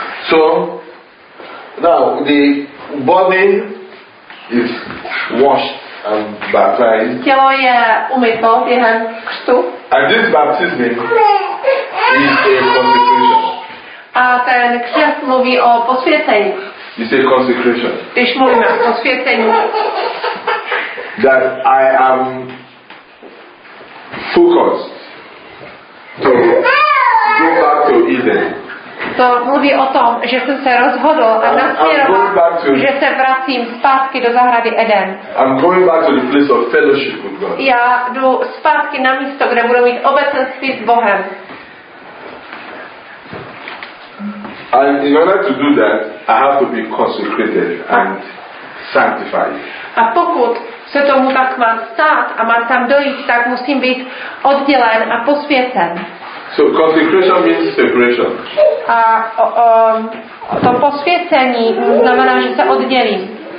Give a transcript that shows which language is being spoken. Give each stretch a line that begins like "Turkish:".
English: So now the body is washed and baptized.
Czech: Tělo je umyto během křtu.
English: And this baptism is a consecration.
Czech: A ten křest mluví o posvěcení.
English: You say consecration.
Czech: Když mluvíme o posvěcení.
English: That I am focused to go back to Eden.
Czech: To mluví o tom, že jsem se rozhodl a nasměroval, že se vracím zpátky do zahrady Eden.
English: I'm going back to the place of fellowship with God.
Czech: Já jdu zpátky na místo, kde budu mít obecenství s Bohem.
English: And in order to do that, I have to be consecrated and sanctified.
Czech: A pokud se tomu tak mám stát a mám tam dojít, tak musím být oddělen a posvěcen.
English: So consecration means separation.
Czech: A to posvěcení znamená, že se oddělím.